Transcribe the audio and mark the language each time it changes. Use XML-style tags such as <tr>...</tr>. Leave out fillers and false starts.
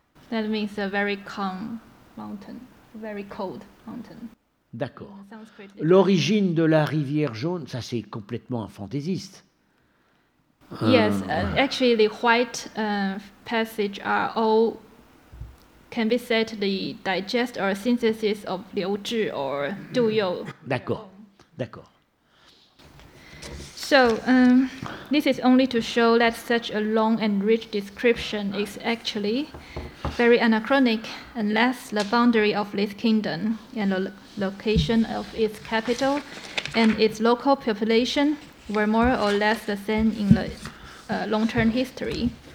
<en>That means a very calm mountain, very cold mountain.</en> <fr>D'accord. L'origine de la rivière jaune, ça c'est complètement fantaisiste.</fr> <en>Yes, actually the white passage are all can be said the digest or synthesis of Liu Zhi or Du You.</en> <fr>D'accord. D'accord.</fr> <en>So, this is only to show that such a long and rich description is actually very anachronic unless the boundary of this kingdom and the location of its capital and its local population were more or less the same in the long-term history.</en>